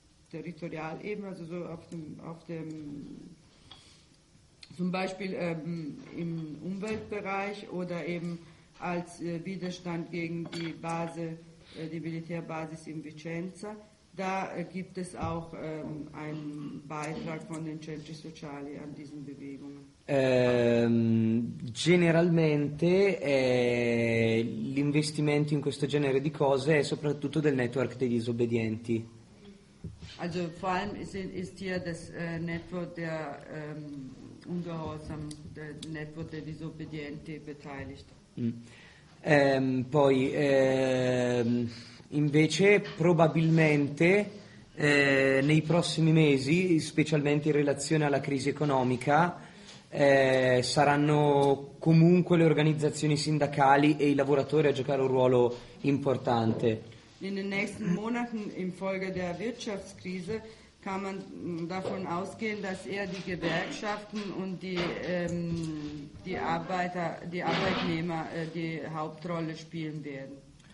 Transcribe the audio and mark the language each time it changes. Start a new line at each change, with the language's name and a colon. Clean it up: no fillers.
German: Territorialebene, also so auf dem zum Beispiel im Umweltbereich oder eben als Widerstand gegen die Base, die Militärbasis in Vicenza, da gibt es auch einen Beitrag von den Centri Sociali an diesen Bewegungen.
Italian: Generalmente l'investimento in questo genere di cose è soprattutto del network dei disobbedienti.
German: Also vor allem ist hier das Network der ungehorsam,
Italian: del network dei disobbedienti
German: beteiligt.
Italian: Poi invece probabilmente nei prossimi mesi, specialmente in relazione alla crisi economica, saranno comunque le organizzazioni sindacali e i lavoratori a giocare un ruolo importante.
German: In den nächsten Monaten infolge der Wirtschaftskrise kann man davon ausgehen, dass eher die Gewerkschaften und die Arbeitnehmer die Hauptrolle spielen werden.